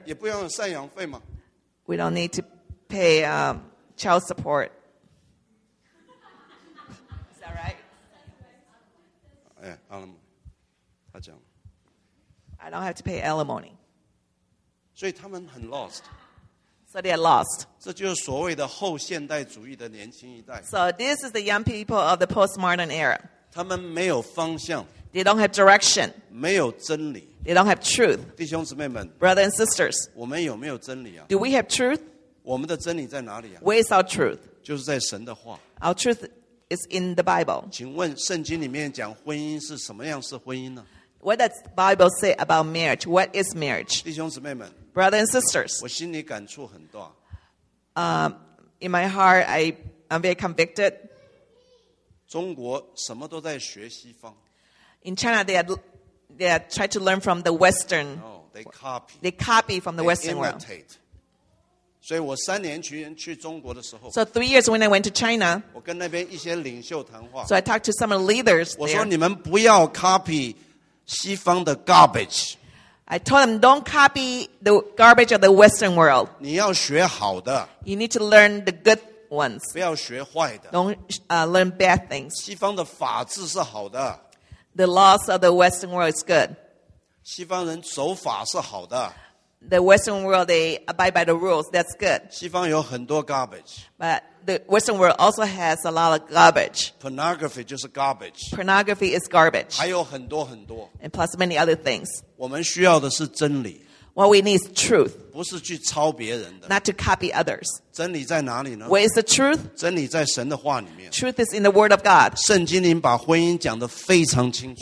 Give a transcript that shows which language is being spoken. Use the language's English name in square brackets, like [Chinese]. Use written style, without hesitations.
[Chinese] 也不用赡养费嘛。 [English] We don't need to pay child support. Is that right? [Chinese] 哎，好了吗？他讲。 [English] I don't have to pay alimony. [Chinese] 所以他们很 [English] lost. So they are lost. [Chinese] 这就是所谓的后现代主义的年轻一代。 [English] So this is the young people of the postmodern era. [Chinese] 他们没有方向。 [English] They don't have direction. [Chinese] 没有真理。 [English] They don't have truth. [Chinese] 弟兄姊妹们。 [English] Brothers and sisters. [Chinese] 我们有没有真理啊 [English] ？Do we have truth? [Chinese] 我们的真理在哪里啊 [English] ？Where is our truth? [Chinese] 就是在神的话。 [English] Our truth is in the Bible. [Chinese] 请问圣经里面讲婚姻是什么样是婚姻呢？ [English] What does the Bible say about marriage? What is marriage? [Chinese] 弟兄姊妹们 [English] Brothers and sisters. [Chinese] 我心里感触很大。 [English] In my heart, I'm very convicted. [Chinese] 中国什么都在学西方。 [English] In China, they are trying to learn from the Western. Oh, they copy. They copy from the Western world. They imitate. [Chinese] 所以我三年去中国的时候。 [English] So 3 years when I went to China. [Chinese] 我跟那边一些领袖谈话。 [English] So I talked to some of the leaders there. [Chinese] 我说你们不要 [English] copy. [Chinese] 西方的 [English] garbage. I told them, don't copy the garbage of the Western world. [Chinese] 你要学好的。 [English] You need to learn the good ones. [Chinese] 不要学坏的。 [English] Don't learn bad things. [Chinese] 西方的法治是好的。 [English] The laws of the Western world is good. [Chinese] 西方人守法是好的。 [English] The Western world, they abide by the rules. That's good. [Chinese] 西方有很多 [English] garbage. But the Western world also has a lot of garbage. Pornography [Chinese] 就是 [English] garbage. Pornography is garbage. [Chinese] 还有很多很多。 [English] And plus many other things. [Chinese] 我们需要的是真理。 [English] What we need is truth. [Chinese] 不是去抄别人的。 [English] Not to copy others. [Chinese] 真理在哪里呢 [English] ？Where is the truth? [Chinese] 真理在神的话里面。 [English] Truth is in the Word of God. [Chinese] 圣经里把婚姻讲得非常清楚。